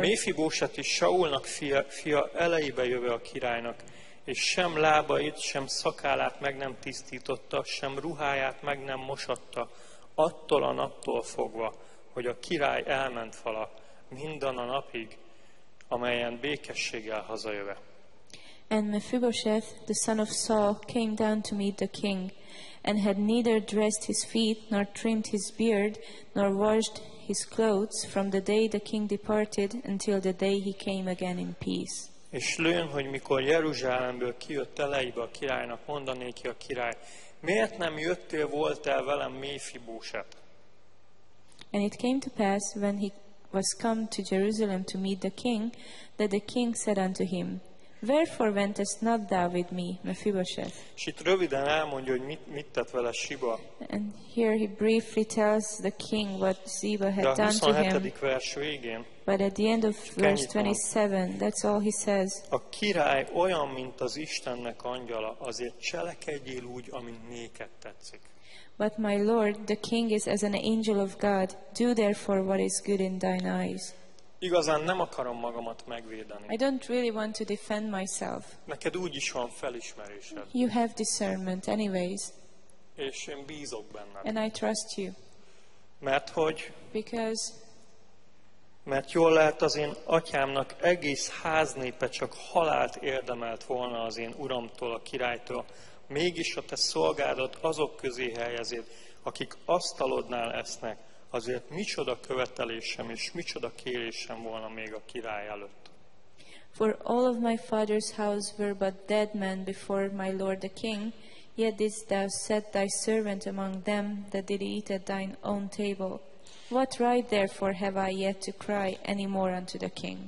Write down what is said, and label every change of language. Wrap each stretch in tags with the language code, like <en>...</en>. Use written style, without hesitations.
<hu>Mefibóset is Saulnak fia elejébe jöve a királynak, és sem lábait, sem szakálát meg nem tisztította, sem ruháját meg nem mosatta, attól a naptól fogva, hogy a király elment fala, mindan a napig, amelyen békességgel hazajöve.</hu> <en>And Mefibosheth, the son of Saul, came down to meet the king, and had neither dressed his feet, nor trimmed his beard, nor washed his clothes, from the day the king departed until the day he came again in peace.</en> <hu>És lőn, hogy mikor Jeruzsálemből kijött elejébe a királynak, mondanék ki a király, miért nem jöttél voltál velem Mefibóset?</hu> <en>And it came to pass, when he was come to Jerusalem to meet the king, that the king said unto him, wherefore wentest not thou with me, Mefibosheth?</en> <hu>És itt röviden elmondja, hogy mit tett vele Siba.</hu> <en>And here he briefly tells the king what Ziba had done to him.</en> <hu>Vers végén,</hu> <en>but at the end of verse 27, that's all he says.</en> <hu>A király olyan, mint az Istennek angyala, azért cselekedjél úgy, amint néked tetszik.</hu> <en>But my lord, the king is as an angel of God. Do therefore what is good in thine eyes.</en> <hu>Igazán nem akarom magamat megvédeni.</hu> <en>I don't really want to defend myself.</en> <hu>Neked úgy is van felismerésed.</hu> <en>You have discernment anyways.</en> <hu>És én bízok benned.</hu> <en>And I trust you.</en> <hu>Mert hogy?</hu> <en>Because.</en> <hu>Mert jól lehet az én atyámnak egész háznépe csak halált érdemelt volna az én uramtól, a királytól. Mégis a te szolgádat azok közé helyezed, akik asztalodnál esznek. Azért micsoda követelésem és micsoda kérésem volna még a király előtt.</hu> <en>For all of my father's house were but dead men before my lord the king, yet didst thou set thy servant among them that did eat at thine own table. What right therefore have I yet to cry any more unto the king?</en>